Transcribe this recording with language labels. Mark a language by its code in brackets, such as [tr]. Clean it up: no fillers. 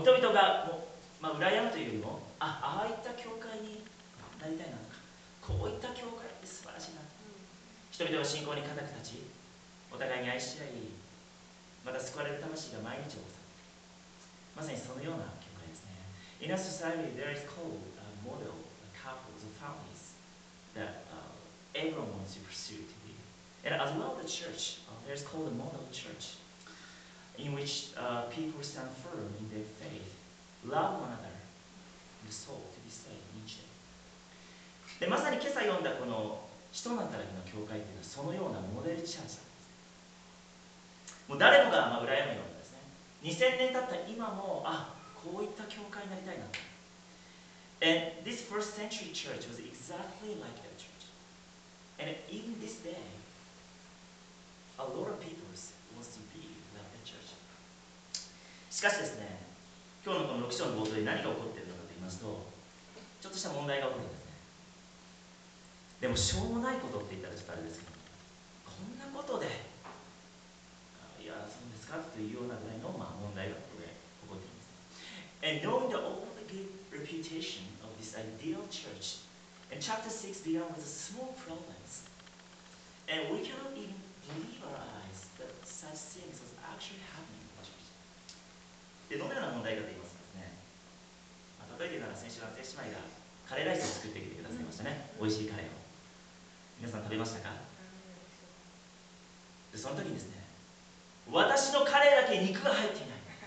[ja] もう人々がもう、羨むというよりも、ああいった教会になりたいなとか、こういった教会って素晴らしいな、人々は信仰に固く立ち、お互いに愛し合い、また救われる魂が毎日起こされている、まさにそのような教会ですね。 [en] In a society, there is called a model, a couple, the families that everyone wants to pursue to be. And as well the church, there is called a model church in which people stand firm in their faith, love one another, and the soul to be saved in each day. [ja] で、まさに今朝読んだこの人の働きの教会というのはそのようなモデルチャージだ。もう誰もが羨むようなですね。2000年経った今も、こういった教会になりたいなと。 [en] And this first century church was exactly like that church. And even this day, a lot of people want to be like that church. [ja] しかしですね、今日のこの6章の冒頭で何が起こっているのかと言いますと、ちょっとした問題が起こるんですね。でも、しょうもないことって言ったらちょっとあれですけど、こんなことで、そうですかというようなぐらいの問題がここで起こっています。 [en] And knowing the all the good reputation of this ideal church, and chapter 6 began with a small problems, and we cannot even believe our eyes that such things was actually happening in the church. [ja] で、どのような問題かと言いますかね。例えてなら先週の姉妹がカレーライスを作ってきてくださいましたね。美味しいカレーを。皆さん食べましたか？で、その時にですね、私のカレーだけ肉が入っていない。